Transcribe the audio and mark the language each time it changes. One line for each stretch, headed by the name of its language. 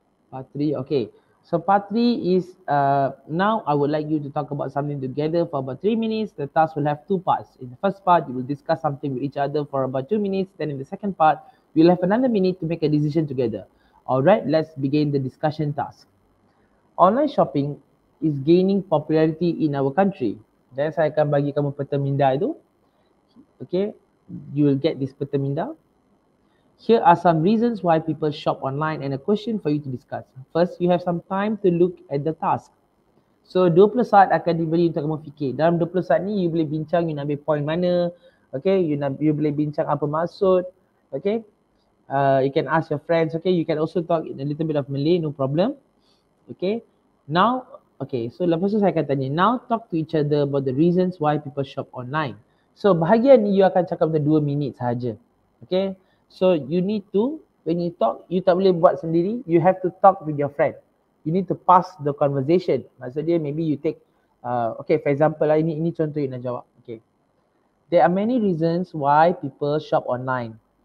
English: Part 3, okay. So part 3 is, now I would like you to talk about something together for about 3 minutes. The task will have 2 parts. In the first part, you will discuss something with each other for about 2 minutes. Then in the second part, you'll have another minute to make a decision together. Alright, let's begin the discussion task. Online shopping is gaining popularity in our country. Then
Malay: saya akan bagi kamu peta minda itu.
English: Okay, you will get this
Malay: peta minda.
English: Here are some reasons why people shop online and a question for you to discuss. First, you have some time to look at the task.
Malay: So, 20 saat akan diberi untuk kamu fikir. Dalam 20 saat ni,
English: you boleh bincang, you nak ambil point mana.
Malay: Okay, you boleh bincang apa maksud.
English: Okay, you can ask your friends. Okay, you can also talk in a little bit of Malay, no problem. Okay, now, okay, so
Malay: lepas tu saya akan tanya,
English: now talk to each other about the reasons why people shop online.
Malay: So bahagian ni you akan cakap dalam 2 minit sahaja.
English: Okay, so you need to, when you talk, you
Malay: tak boleh buat sendiri,
English: you have to talk with your friend. You need to pass the conversation. Maksudnya maybe you take, okay, for example lah,
Malay: ini contoh you nak jawab.
English: Okay, there are many reasons why people shop online.